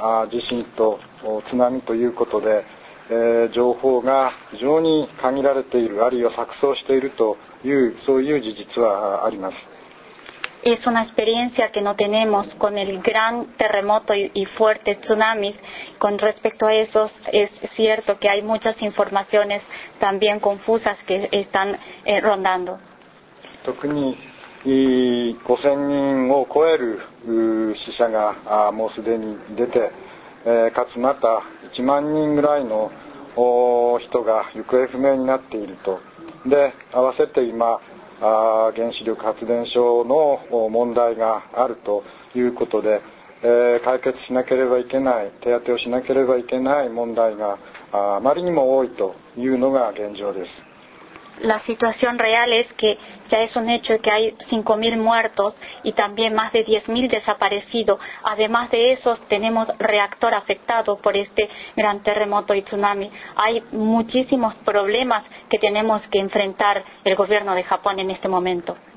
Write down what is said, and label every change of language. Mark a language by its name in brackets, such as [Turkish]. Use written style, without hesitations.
[Spanish] ¿Qué es la información que llega a ustedes? [Japanese] 情報が非常に限られているあるいは錯綜しているというそういう事実はあります。 [Spanish] Es una experiencia que no tenemos con el gran terremoto y fuerte tsunami. Con respecto a eso, es cierto que hay muchas informaciones también confusas que están rondando. [Japanese] 特に5000人を超える死者がもうすでに出て、かつまた1万人ぐらいの人が行方不明になっていると。で、合わせて今原子力発電所の問題があるということで、解決しなければいけない、手当てをしなければいけない問題があまりにも多いというのが現状です。 [Spanish] La situación real es que ya es un hecho que hay 5000 muertos y también más de 10000 desaparecidos. Además de esos, tenemos reactor afectado por este gran terremoto y tsunami. Hay muchísimos problemas que tenemos que enfrentar el gobierno de Japón en este momento.